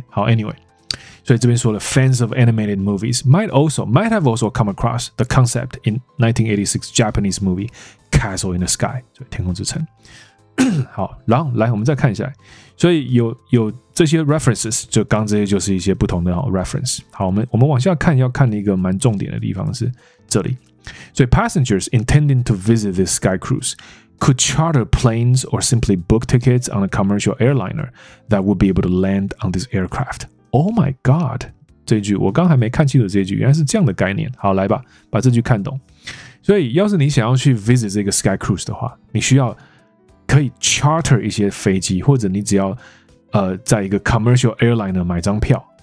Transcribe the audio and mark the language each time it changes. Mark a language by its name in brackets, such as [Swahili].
[English] 好 ，anyway， [Chinese] 所以这边说了 [English] ，fans of animated movies might have also come across the concept in 1986 Japanese movie Castle in the Sky， [Chinese] 就天空之城。好，然后来我们再看一下，所以有这些 references， 就刚这些就是一些不同的 reference。好，我们往下看，要看一个蛮重点的地方是这里。 [English] So passengers intending to visit this sky cruise could charter planes or simply book tickets on a commercial airliner that would be able to land on this aircraft. Oh my god! [Chinese] 这句我刚还没看清楚，这句原来是这样的概念。好，来吧，把这句看懂。所以，要是你想要去 visit 这个 sky cruise 的话，你需要可以 charter 一些飞机，或者你只要在一个 commercial airliner 买张票。